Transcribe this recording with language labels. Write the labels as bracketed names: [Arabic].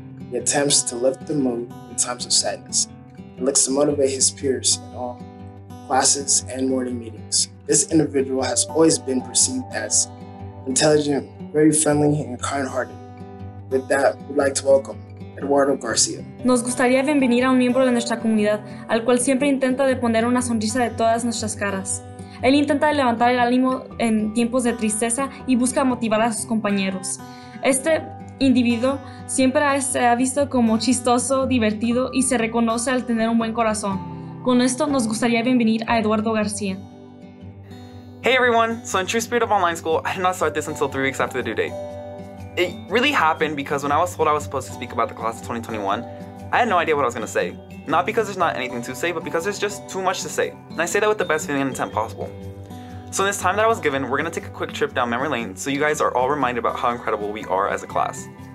[English] He attempts to lift the mood in times of sadness. He looks to motivate his peers in all classes and morning meetings. This individual has always been perceived as intelligent, very friendly, and kind-hearted. With that, we'd like to welcome Eduardo García. [Spanish] Nos gustaría bienvenir a un miembro de nuestra comunidad, al cual siempre intenta de poner una sonrisa de todas nuestras caras. Él intenta levantar el ánimo en tiempos de tristeza y busca motivar a sus compañeros. Este individuo siempre se ha visto como chistoso, divertido y se reconoce al tener un buen corazón. Con esto, nos gustaría bienvenir a Eduardo García. [English] Hey everyone! So in true spirit of online school, I did not start this until 3 weeks after the due date. It really happened because when I was told I was supposed to speak about the class of 2021, I had no idea what I was going to say. Not because there's not anything to say, but because there's just too much to say. And I say that with the best feeling and intent possible. So in this time that I was given, we're going to take a quick trip down memory lane so you guys are all reminded about how incredible we are as a class.